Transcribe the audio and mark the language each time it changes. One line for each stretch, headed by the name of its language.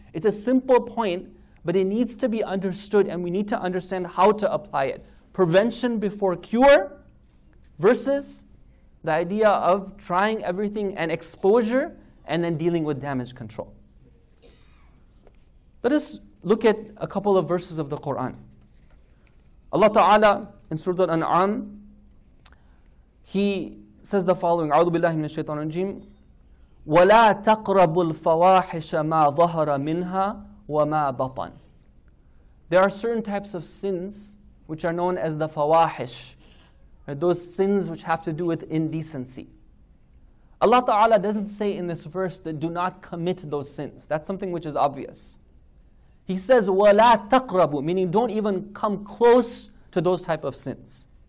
English: It's a simple point, but it needs to be understood, and we need to understand how to apply it. Prevention before cure versus the idea of trying everything and exposure and then dealing with damage control. Let us look at a couple of verses of the Quran. Allah Ta'ala in Surah Al-An'am, He says the following,
Arabic: أعوذ بالله من الشيطان الرجيم وَلَا تَقْرَبُوا الْفَوَاحِشَ مَا ظَهَرَ مِنْهَا وَمَا بَطَنَ.
English: There are certain types of sins which are known as the fawahish, those sins which have to do with indecency. Allah Ta'ala doesn't say in this verse that do not commit those sins. That's something which is obvious. He says,
Arabic: وَلَا تَقْرَبُوا,
English: meaning don't even come close to those type of sins.